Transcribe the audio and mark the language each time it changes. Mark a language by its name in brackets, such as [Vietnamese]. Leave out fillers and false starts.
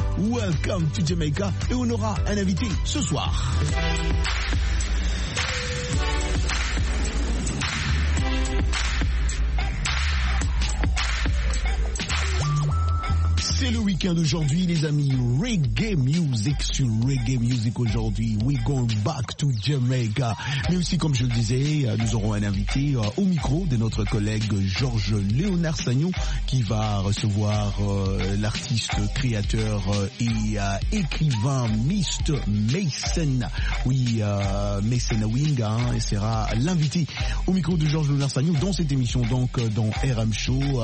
[English] Welcome to Jamaica [French] et on aura un invité ce soir. C'est le week-end d'aujourd'hui, les amis. Reggae music sur Reggae Music aujourd'hui. [English] We going back to Jamaica. [French] Mais aussi, comme je le disais, nous aurons un invité au micro de notre collègue Georges Léonard Sagnon qui va recevoir l'artiste, créateur et écrivain Mist Mason. Oui, Mason Wing hein, et sera l'invité au micro de Georges Léonard Sagnon dans cette émission, donc dans RM Show.